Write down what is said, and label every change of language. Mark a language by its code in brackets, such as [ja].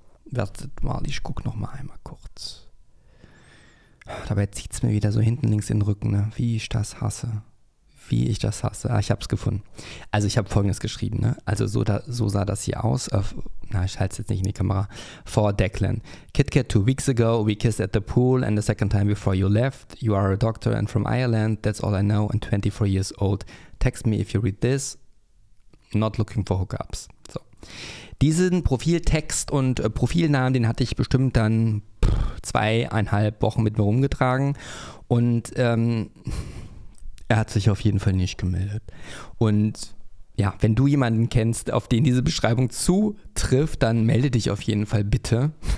[de] Wartet mal, ich guck noch mal einmal kurz. Dabei zieht es mir wieder so hinten links in den Rücken, ne? Wie ich das hasse. Wie ich das hasse. Ah, ich habe es gefunden. Also ich habe Folgendes geschrieben, ne? Also so sah das hier aus. Na, ich halte es jetzt nicht in die Kamera. [en] For Declan. KitKat, 2 weeks ago, we kissed at the pool and the second time before you left. You are a doctor and from Ireland. That's all I know and 24 years old. Text me if you read this. Not looking for hookups. So. [de] Diesen Profiltext und Profilnamen, den hatte ich bestimmt dann 2,5 Wochen mit mir rumgetragen. Und er hat sich auf jeden Fall nicht gemeldet. Und ja, wenn du jemanden kennst, auf den diese Beschreibung zutrifft, dann melde dich auf jeden Fall bitte.